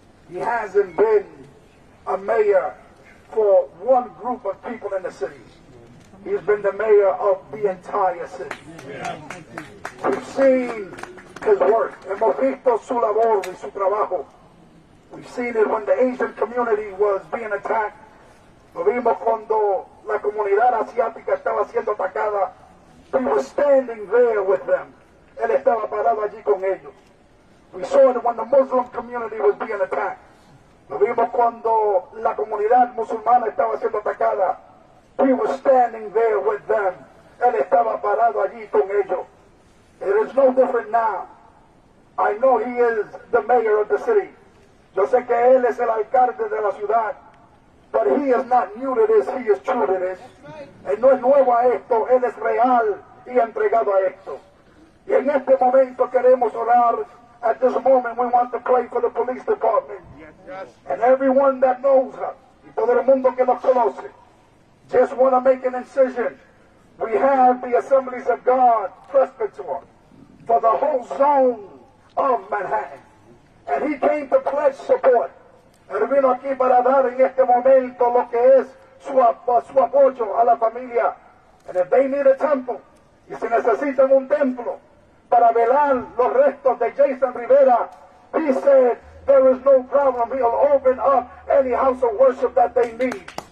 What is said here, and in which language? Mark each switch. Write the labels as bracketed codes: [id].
[en] He hasn't been a mayor for one group of people in the city. He's been the mayor of the entire city. Yeah. We've seen his work. [es] Hemos visto su labor y su trabajo. [en] We've seen it when the Asian community was being attacked. [es] Lo vimos cuando la comunidad asiática estaba siendo atacada. [en] He was standing there with them. [es] Él estaba parado allí con ellos. [en] We saw it when the Muslim community was being attacked. [es] Lo vimos cuando la comunidad musulmana estaba siendo atacada. [en] He was standing there with them. [es] Él estaba parado allí con ellos. [en] It is no different now. I know he is the mayor of the city. [es] Yo sé que él es el alcalde de la ciudad. [en] But he is not new to this, he is true to this. [es] Él no es nuevo a esto, él es real y entregado a esto. Y en este momento queremos orar. [en] At this moment, we want to pray for the police department. Yes, yes. And everyone that knows us, [es] y todo el mundo que nos conoce, [en] just want to make an incision. We have the Assemblies of God presbyter for the whole zone of Manhattan. And he came to pledge support. [es] Él vino aquí para dar en este momento lo que es su apoyo a la familia. [en] And if they need a temple, [es] y si necesitan un templo, para velar los restos de Jason Rivera, [en] he said, there is no problem, he'll open up any house of worship that they need.